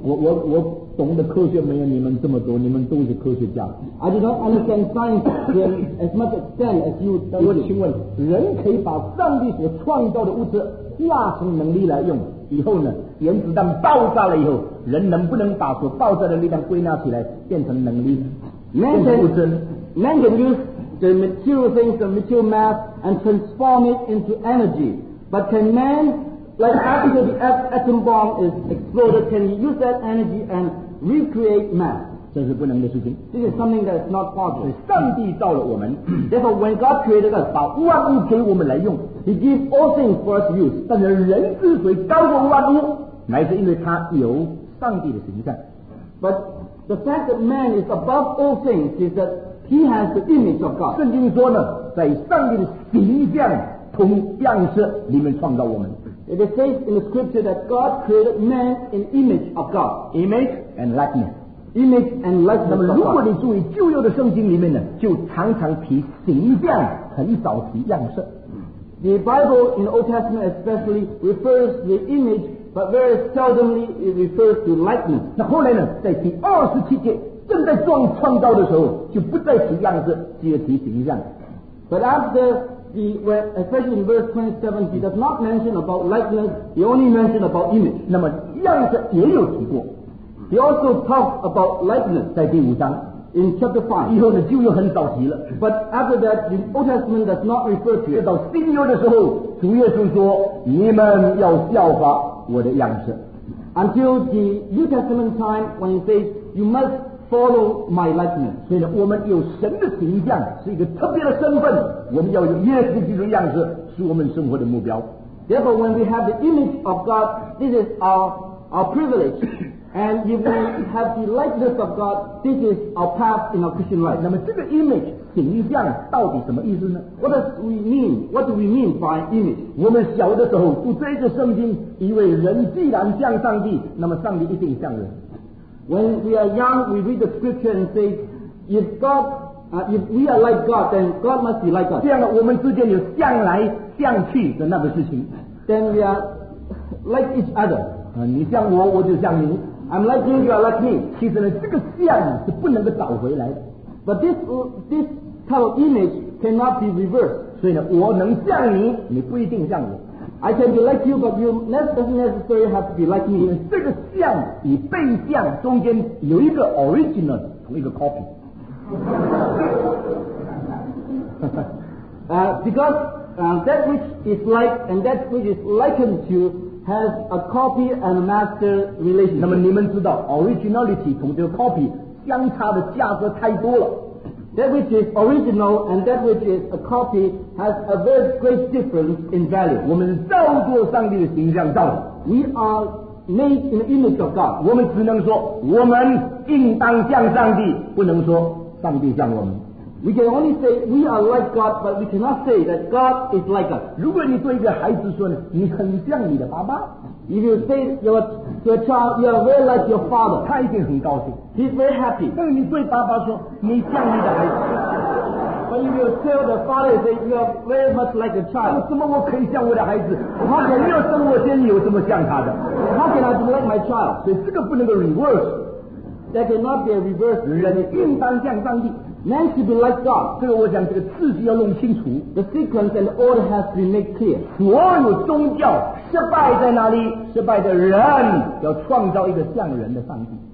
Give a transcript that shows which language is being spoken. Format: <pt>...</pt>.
<zh>我懂得科学没有你们这么多，你们都是科学家。</zh> <en>I do not understand science as much extent as you.</en> <zh>我请问，人可以把上帝所创造的物质化成能力来用，以后呢，原子弹爆炸了以后，人能不能把所爆炸的力量归纳起来，变成能力？</zh> <en>Man can use the material things, the material mass, and transform it into energy. But can man, like after the atom bomb is exploded, can he use that energy and recreate mass?</en> <zh>这是不能的事情。</zh> <en>This is something that is not possible.</en> <zh>上帝造了我们</zh> <en>，Therefore, when God created us,</en> <zh>把万物给我们来用</zh> <en>，He gives all things for us to use.</en> <zh>但是人之所以高过万物，乃是因为他有上帝的形象。</zh> <en>But the fact that man is above all things is that he has the image of God.</en> <zh>圣经说呢，在上帝的形象同样式里面创造我们。</zh> <en>It is said in the scripture that God created man in image of God. Image and likeness. Image and likeness.</en> <zh>那么如果你注意旧约的圣经里面呢，就常常提形象，很少提样式。</zh> <en>The Bible in the Old Testament especially refers to the image, but very seldomly it refers to likeness.</en> <zh>那后来呢，在第27节正在创造的时候，就不再提样式，只有提形象。</zh> <en>But after especially in verse 27, he does not mention about likeness, he only mentioned about image.</en> <zh>那么样式也有提过。</zh> <en>He also talks about likeness.</en> <zh>在第五章。</zh> <en>In chapter 5.</en> <zh>以后呢就又很早提了。</zh> <en>But after that, the Old Testament does not refer to it.</en> <zh>到新约的时候，主耶稣说，你们要效法我的样式。</zh> <en>Until the New Testament time, when he says, you must follow my likeness.</en> <zh>所以呢，我们有神的形象，是一个特别的身份。我们要有耶稣基督的样式，是我们生活的目标。</zh> <en>Therefore, when we have the image of God, this is our privilege. And if we have the likeness of God, this is our path in our Christian life.</en> <zh>那么这个 image 形象到底什么意思呢？</zh> <en>What do we mean by image?</en> <zh>我们小的时候读这个圣经，以为人既然像上帝，那么上帝一定像人。</zh> <en>When we are young, we read the scripture and say, if we are like God, then God must be like us.</en> <zh>这样我们之间有向来向去的那个事情。</zh> <en>Then we are like each other.</en> <zh>你像我，我就像你。</zh> <en>I'm like you, you are like me.</en> <zh>其实呢，这个像是不能够找回来的。</zh> <en>But this kind of image cannot be reversed.</en> <zh>所以呢，我能像你，你不一定像我。</zh> <en>I can be like you, but you doesn't necessarily have to be like me.</en> <zh>这个像与被像中间有一个 original， 同一个 copy。</zh> <en>Because that which is like and that which is likened to has a copy and a master relationship.</en> <zh>那么你们知道 originality 同这个 copy 相差的价格太多了。</zh> <en>That which is original and that which is a copy has a very great difference in value.</en> <zh>我们照着上帝的形象造的。</zh> <en>We are made in the image of God.</en> <zh>我们只能说我们应当像上帝，不能说上帝像我们。</zh> <en>We can only say we are like God, but we cannot say that God is like us.</en> <zh>如果你对一个孩子说你很像你的爸爸。</zh> <en>If you say your child, you are very like your father.</en> <zh>他一定很高兴。</zh> <en>He's very happy.</en> <zh>但是你对爸爸说，你像你的孩子。</zh> <en>But if you tell the father, say you are very much like a child.</en> <zh>怎么我可以像我的孩子？他还没有生我先，有什么像他的？</zh> <en>How can I be like my child?</en> <zh>所以这个不能够 reverse.</zh> <en>That cannot be a reverse.</en> <zh>人应当像上帝。</zh> <en>Man should be like God.</en> <zh>这个我讲，这个次序要弄清楚。</zh> <en>The sequence and order has been made clear.</en> <zh>所有宗教失败在哪里？失败的人要创造一个像人的上帝。</zh>